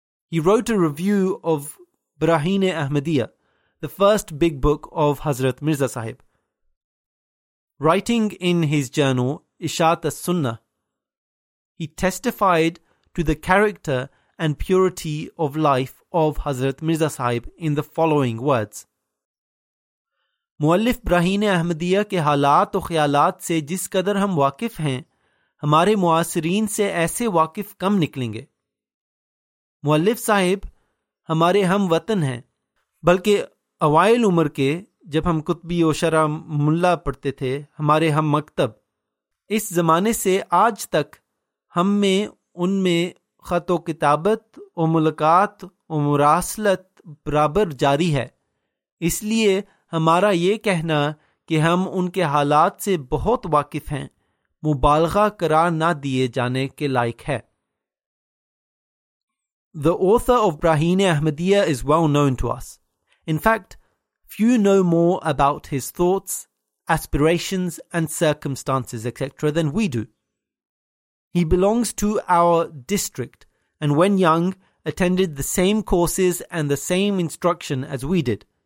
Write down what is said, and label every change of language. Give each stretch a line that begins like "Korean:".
English: He wrote a review of Brahine Ahmadiyya, the first big book of Hazrat Mirza Sahib. Writing in his journal, Ishaat al-Sunnah, he testified to the character and purity of life of Hazrat Mirza Sahib in the following words.
Urdu: مؤلف براہین احمدیہ کے حالات و خیالات سے جس قدر ہم واقف ہیں ہمارے معاصرین سے ایسے واقف کم نکلیں گے مؤلف صاحب ہمارے ہم وطن ہیں بلکہ اوائل عمر کے جب ہم قطبی و شرح ملہ پڑھتے تھے ہمارے ہم مکتب اس زمانے سے آج تک ہم میں ان میں خط و کتابت و ملاقات و مراسلت برابر جاری ہے اس لیے ہمارا یہ کہنا کہ ہم ان کے حالات سے بہت واقف ہیں مبالغہ قرار نہ دیے جانے کے لائق ہے.
English: The author of Brahine Ahmadiyya is well known to us. In fact, few know more about his thoughts, aspirations and circumstances etc. than we do. He belongs to our district and when young attended the same courses and the same instruction as we did.